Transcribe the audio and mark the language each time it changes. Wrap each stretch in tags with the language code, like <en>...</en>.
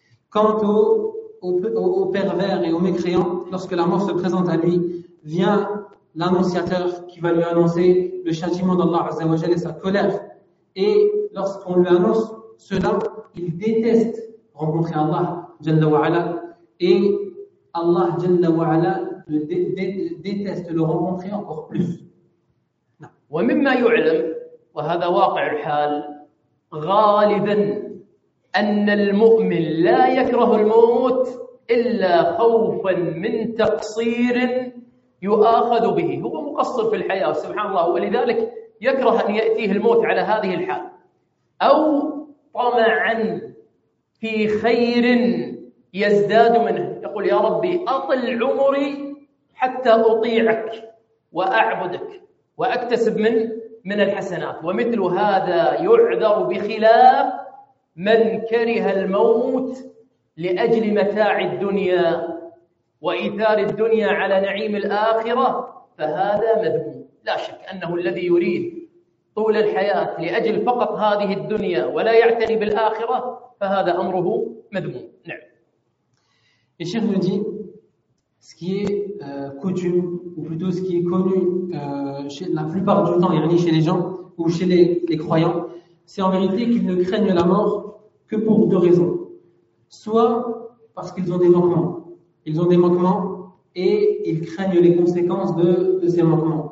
<fr>Quant au pervers et au mécréant, lorsque la mort se présente à lui, vient l'annonciateur qui va lui annoncer le châtiment d'Allah Azza wa Jalla et sa colère. Et lorsqu'on lui annonce cela, il déteste rencontrer Allah Jalla wa Ala. Et Allah jalla wa ala déteste le rencontrer encore plus.</fr> <ar>ومما يعلم وهذا واقع الحال غالبا ان المؤمن لا يكره الموت الا خوفا من تقصير يؤاخذ به. هو مقصر في الحياه سبحان الله، ولذلك يكره ان ياتيه الموت على هذه الحال، او طمعا في خير يزداد منه، يقول يا ربي أطل عمري حتى أطيعك وأعبدك وأكتسب من الحسنات. ومثل هذا يعذر بخلاف من كره الموت لأجل متاع الدنيا وإيثار الدنيا على نعيم الآخرة، فهذا مذموم. لا شك أنه الذي يريد طول الحياة لأجل فقط هذه الدنيا ولا يعتني بالآخرة فهذا أمره مذموم. نعم.</ar> <fr>Et Cheikh nous dit, ce qui est coutume, ou plutôt ce qui est connu chez la plupart du temps, yani chez les gens, ou chez les croyants, c'est en vérité qu'ils ne craignent la mort que pour deux raisons. soit parce qu'ils ont des manquements. Ils ont des manquements et ils craignent les conséquences de ces manquements.</fr>